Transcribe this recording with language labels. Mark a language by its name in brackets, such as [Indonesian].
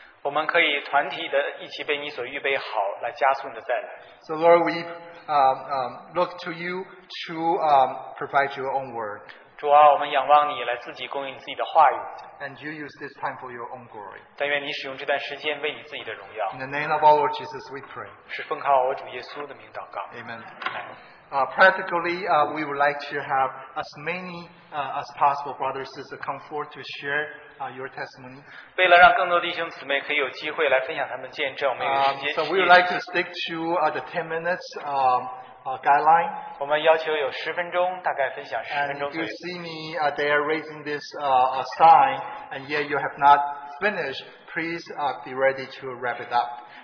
[Chinese] 我们可以团体的一起被你所预备好, 来加速你的再来。 [English] So Lord, we look to you to provide your own word. [Chinese] 主啊, 我们仰望你, 来自己供应自己的话语。 [English] And you use this time for your own glory. [Chinese] 但愿你使用这段时间为你自己的荣耀。 [English] In the name of our Lord Jesus, we pray. [Chinese] 是奉靠我主耶稣的名祷告。 [English] Amen. Practically, we would like to have as many as possible brothers and sisters come forward to share your testimony. [Chinese] 为了让更多弟兄姊妹可以有机会来分享他们见证, [English] so we would like to stick to the 10 minutes guideline. [Chinese] 我们要求有10分钟, 大概分享10分钟, [English] and you see me there raising this sign, and yet you have not finished, please be ready to wrap it up.